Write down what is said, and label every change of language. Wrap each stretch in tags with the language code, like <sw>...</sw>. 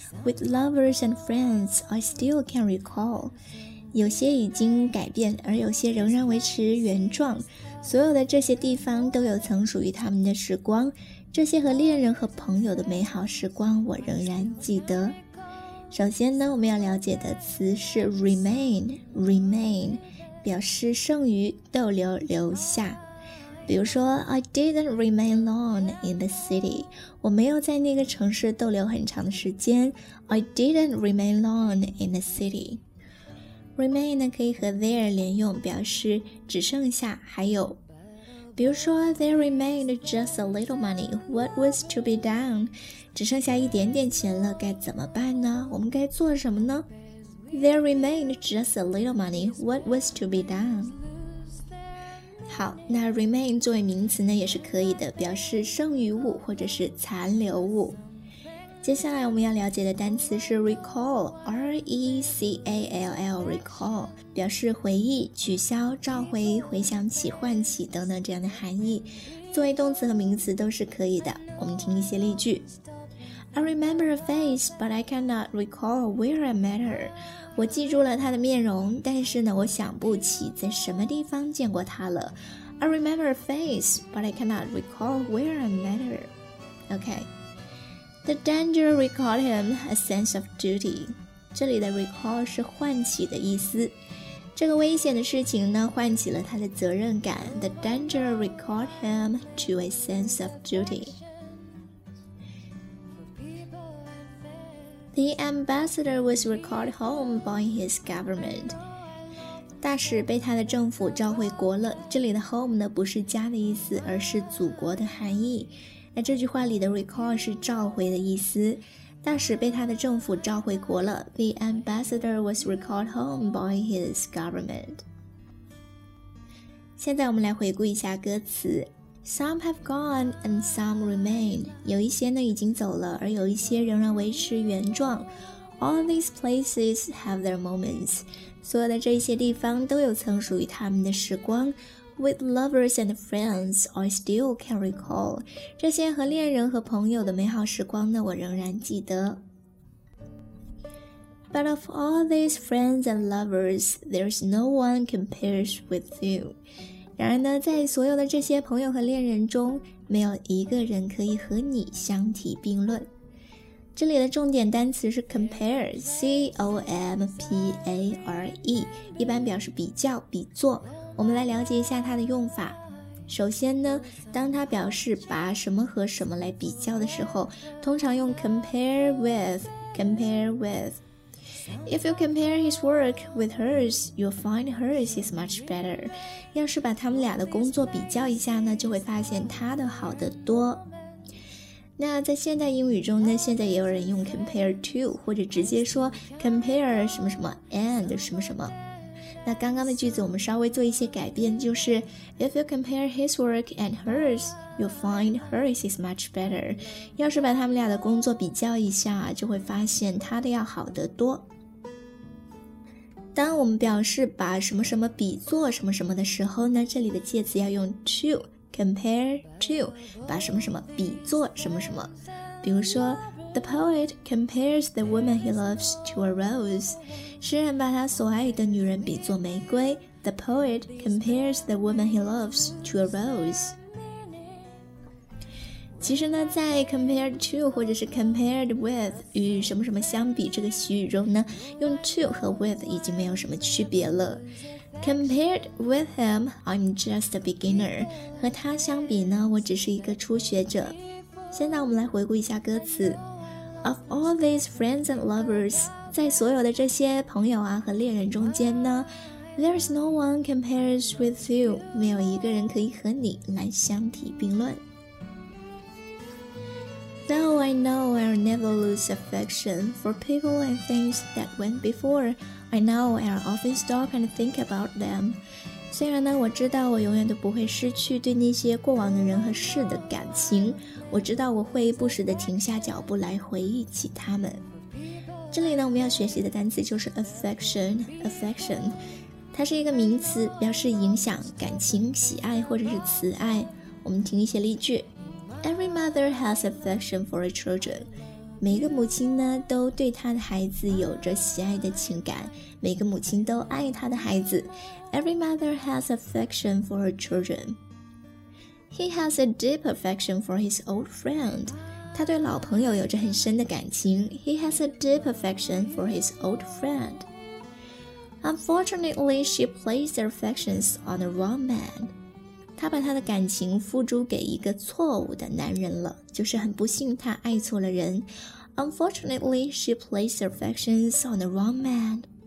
<en>With lovers and friends, I still can recall.</en> <zh>有些已经改变，而有些仍然维持原状。所有的这些地方都有曾属于他们的时光。这些和恋人和朋友的美好时光，我仍然记得。首先呢，我们要了解的词是 remain， remain， 表示剩余、逗留、留下。比如说</zh> <en>I didn't remain long in the city，</en> <zh>我没有在那个城市逗留很长的时间。</zh> <en>I didn't remain long in the city。 Remain</en> <zh>呢可以和</zh> <en>there</en> <zh>连用，表示只剩下还有。</zh> <en>比如说 There remained just a little money， What was to be done？</en> <zh>只剩下一点点钱了，该怎么办呢？我们该做什么呢？</zh> <en>There remained just a little money. What was to be done?</en> <zh>好，那 remain 作为名词呢也是可以的，表示剩余物或者是残留物。接下来我们要了解的单词是 recall， R-E-C-A-L-L， recall， 表示回忆、取消、召回、回想起、唤起等等这样的含义，作为动词和名词都是可以的。我们听一些例句。</zh> <en>I remember a face, but I cannot recall where I met her.</en> <zh>我记住了她的面容，但是呢，我想不起在什么地方见过她了。</zh> <en>I remember a face, but I cannot recall where I met her. Okay. The danger recalled him a sense of duty.</en> <zh>这里的 recall 是唤起的意思。这个危险的事情呢，唤起了他的责任感。</zh> <en>The danger recalled him to a sense of duty. The ambassador was recalled home by his government.</en> <zh>大使被他的政府召回国了。这里的 home 呢，不是家的意思，而是祖国的含义。那这句话里的 recall 是召回的意思。大使被他的政府召回国了。</zh> <en>The ambassador was recalled home by his government.</en> <zh>现在我们来回顾一下歌词。</zh> <en>Some have gone and some remain.</en> <zh>有一些呢已经走了，而有一些仍然维持原状。</zh> <en>All these places have their moments.</en> <zh>所有的这些地方都有曾属于他们的时光。</zh> <en>With lovers and friends, I still can recall.</en> <zh>这些和恋人和朋友的美好时光呢，我仍然记得。</zh> <en>But of all these friends and lovers, there's no one compares with you.</en> <zh>然而呢，在所有的这些朋友和恋人中，没有一个人可以和你相提并论。这里的重点单词是 compare， C-O-M-P-A-R-E， 一般表示比较、比作。我们来了解一下它的用法。首先呢，当它表示把什么和什么来比较的时候，通常用 compare with， compare with。</zh> <en>If you compare his work with hers, you'll find hers is much better.</en> <zh>要是把他们俩的工作比较一下呢，就会发现他的好得多。那在现代英语中呢，现在也有人用 compare to， 或者直接说 compare 什么什么 and 什么什么。那刚刚的句子我们稍微做一些改变，就是</zh> <en>If you compare his work and hers, you'll find hers is much better.</en> <zh>要是把他们俩的工作比较一下，就会发现他的要好得多。当我们表示把什么什么比作什么什么的时候呢，这里的介词要用 to， compare to， 把什么什么比作什么什么。比如说</zh> <en>The poet compares the woman he loves to a rose.</en> <zh>诗人把他所爱的女人比作玫瑰。</zh> <en>The poet compares the woman he loves to a rose.</en> <zh>其实呢，在 compared to 或者是 compared with 与什么什么相比这个习语中呢，用 to 和 with 已经没有什么区别了。</zh> <en>Compared with him, I'm just a beginner.</en> <zh>和他相比呢，我只是一个初学者。现在我们来回顾一下歌词。</zh> <en>Of all these friends and lovers,</en> <zh>在所有的这些朋友啊和恋人中间呢</zh> <en>，There's no one compares with you.</en> <zh>没有一个人可以和你来相提并论。</zh> <en>Though I know I'll never lose affection for people and things that went before, I know I'll often stop and think about them.</en> <zh>虽然呢，我知道我永远都不会失去对那些过往的人和事的感情，我知道我会不时地停下脚步来回忆起他们。这里呢，我们要学习的单词就是 affection， affection， 它是一个名词，表示影响、感情、喜爱或者是慈爱。我们听一些例句。</zh> <en>Every mother has affection for her children.</en> <zh>每个母亲呢，都对她的孩子有着喜爱的情感，每个母亲都爱她的孩子。</zh> <en>Every mother has affection for her children. He has a deep affection for his old friend.</en> <zh>他对老朋友有着很深的感情。</zh> <en>He has a deep affection for his old friend. Unfortunately, she placed her affections on the wrong man.</en> <zh>她把她的感情付诸给一个错误的男人了，就是很不幸她爱错了人。</zh> <en>Unfortunately, she placed her affections on the wrong man.</en>